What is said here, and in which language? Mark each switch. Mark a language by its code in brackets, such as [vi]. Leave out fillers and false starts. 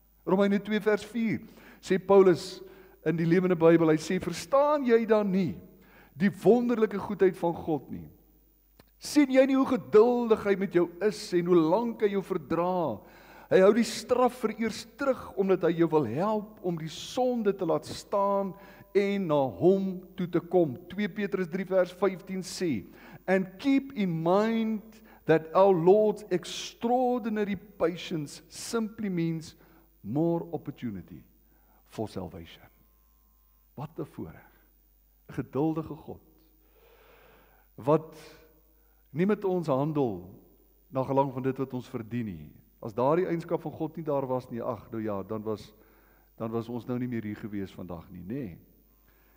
[af] Romeine 2 vers 4 sê Paulus, in die lewende Bybel, hy sê, verstaan jy dan nie die wonderlike goedheid van God nie? Sien jy nie hoe geduldig hy met jou is en hoe lank hy jou verdra? Hy hou die straf vereers terug, omdat hy jou wil help om die sonde te laat staan en na hom toe te kom. 2 Petrus 3 vers 15 sê, [en] and keep in mind that our Lord's extraordinary patience simply means more opportunity for salvation. [af] Wat 'n voorreg, 'n geduldige God, wat nie met ons handel, na gelang van dit wat ons verdien nie. As daar die eienskap van God nie daar was nie, ach, nou ja, dan was ons nou nie meer hier gewees vandag nie, nee.